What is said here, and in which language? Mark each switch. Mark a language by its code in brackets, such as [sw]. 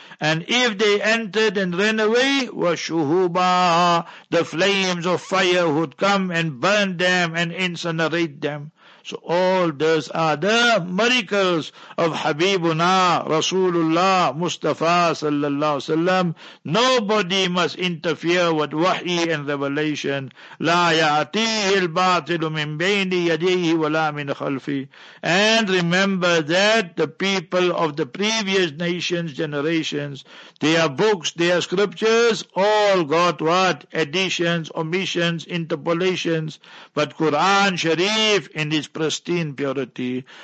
[en] And if they entered and ran away, washuhuba, the flames of fire would come and burn them and incinerate them. So all those are the miracles of Habibuna Rasulullah Mustafa sallallahu alaihi wasallam. Nobody must interfere with wahi and revelation. [ar] لا يأتيه الباطل من بين يديه ولا من خلفه. [en] And remember that the people of the previous nations, generations, their books, their scriptures, all got what? Additions, omissions, interpolations. But Quran Sharif in its pristine purity.